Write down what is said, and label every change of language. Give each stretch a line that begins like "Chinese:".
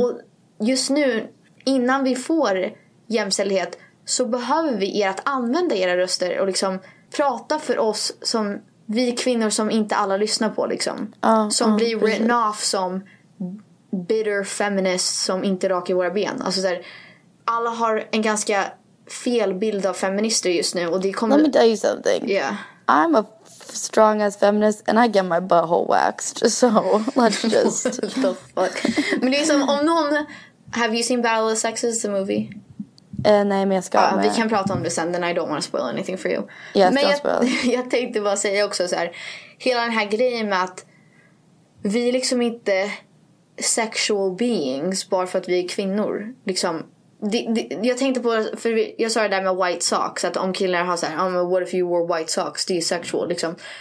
Swedish: Och just nu, innan vi får jämställdhet, så behöver vi er att använda era röster och liksom prata för oss som vi kvinnor som inte alla lyssnar på. Liksom. Som blir
English: written off
Swedish: som bitter feminist som inte rakar våra ben. Alltså så här, alla har en ganska fel bild av feminister just nu. Och det kommer...
English: Let me tell you something. Yeah. I'm a strong as feminist and I get my butthole waxed. So let's just... What the fuck?
Swedish: Men liksom, om någon...
English: Have you seen Battle of the Sexes, the movie?
Swedish: Nej, men jag ska med. Vi kan prata om det sen,
English: then I don't want to spoil anything for you. Yes, men don't spoil.
Swedish: Jag tänkte bara säga också så här. Hela den här grejen med att vi liksom inte
English: sexual beings
Swedish: bara för att vi är kvinnor. Liksom... jag tänkte på, för jag sa det där med white socks, att om killar har såhär,
English: oh, what if you wore white socks,
Swedish: det är sexual liksom.